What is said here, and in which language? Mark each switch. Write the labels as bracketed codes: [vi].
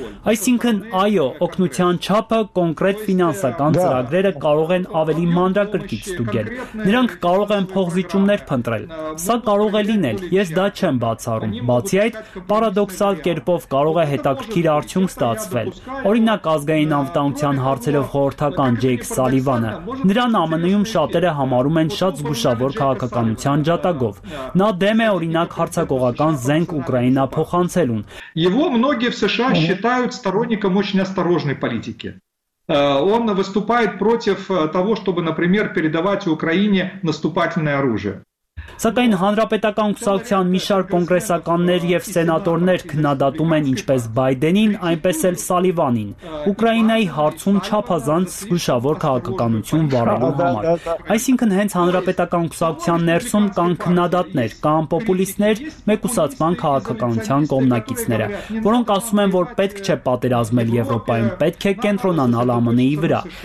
[hy] այսինքն այո, օգնության չափը, կոնկրետ ֆինանսական ծրագրերը կարող են ավելի մանրակրկիտ ստուգել, նրանք կարող են փոխզիջումներ փնտրել, սա կարող է լինել, ես դա չեմ բացառում, բացի այդ, պարադոքսալ կերպով կարող է հետաքրքիր արդյունք ստացվել, օրինակ ազգային անվտանգության հարցերով խորհրդական Ջեյք Սալիվանը, նրան ԱՄՆ-ում շատերը համարում են շատ զգուշավոր քաղաքականության ջատագով, նա դեմ է օրինակ հարցակողական զենք Ուկրաինա փոխանցելուն։ [ru] Его многие в США считают сторонником очень осторожной политики. он выступает против того, чтобы, например, передавать Украине наступательное оружие. [hy] Սակայն հանրապետական ուսակցության մի շարք կոնգրեսականներ եւ սենատորներ քննադատում են ինչպես Բայդենին, այնպես էլ Սալիվանին, Ուկրաինայի հարցում չափազանց զգուշավոր քաղաքականություն վարելու համար։ Այսինքն հենց հանրապետական ուսակցության ներսում կան քննադատներ, կան պոպուլիստներ, մեկուսացման քաղաքականության կողմնակիցները, որոնք ասում են, որ պետք չէ պատերազմել Եվրոպայում, պետք է կենտրոնանալ ԱՄՆ-ի վրա։